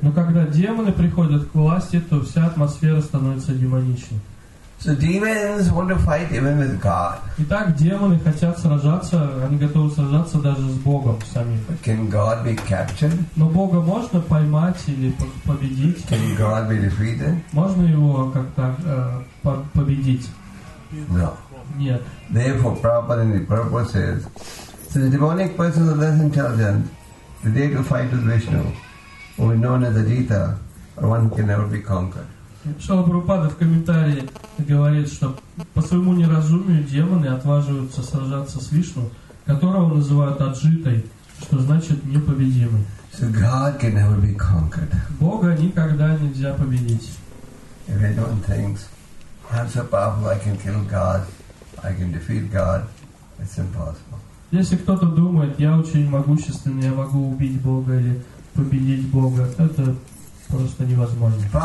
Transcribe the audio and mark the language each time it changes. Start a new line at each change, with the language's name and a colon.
Russian: Но когда демоны приходят к власти, то вся атмосфера становится демоничной.
English: So demons want to fight even with God.
Russian: Итак, демоны хотят сражаться, они готовы сражаться даже с Богом самим.
English: But can God be captured?
Russian: Но Бога можно поймать или победить?
English: Can God be defeated?
Russian: Можно его как-то победить?
English: No.
Russian: Нет.
English: Therefore, Prabhupada in the purport says, so the demonic persons are less intelligent. The day to fight with Vishnu, who is known as Adita, or one who can never be conquered.
Russian: Шрила Прабхупада в комментарии говорит, что по своему неразумию демоны отваживаются сражаться с Вишну, которого называют Аджитой, что значит непобедимый.
English: So God can never be conquered.
Russian: Бога никогда нельзя победить.
English: If anyone thinks, I'm so powerful, I can kill God, I can defeat God, it's impossible.
Russian: Если кто-то думает, я очень могущественный, я могу убить Бога или победить Бога, это просто невозможно.